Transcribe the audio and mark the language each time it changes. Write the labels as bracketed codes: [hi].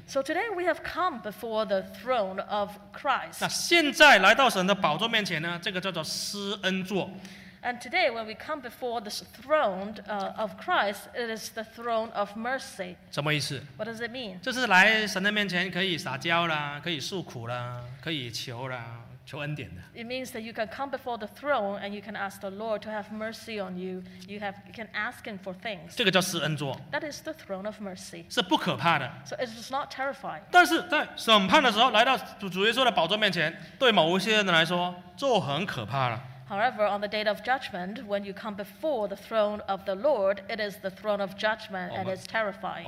[en] So today we have come before the throne of Christ. [zh] 那现在来到神的宝座面前呢, 这个叫做施恩座。 [en] And today when we come before this throne of Christ, it is the throne of mercy. [zh] 什么意思? [en] What does it mean? [zh] 就是来神的面前可以撒娇啦, 可以诉苦啦, 可以求啦。 [en] It means that you can come before the throne and you can ask the Lord to have mercy on you. You can ask Him for things. [zh] 这个叫施恩座, [en] that is the throne of mercy. [zh] 是不可怕的, [en] so it is not terrifying. [zh] 但是在审判的时候, 来到主耶稣的宝座面前, 对某些人来说, 就很可怕了。 [en] However, on the date of judgment, when you come before the throne of the Lord, it is the throne of judgment and it's terrifying.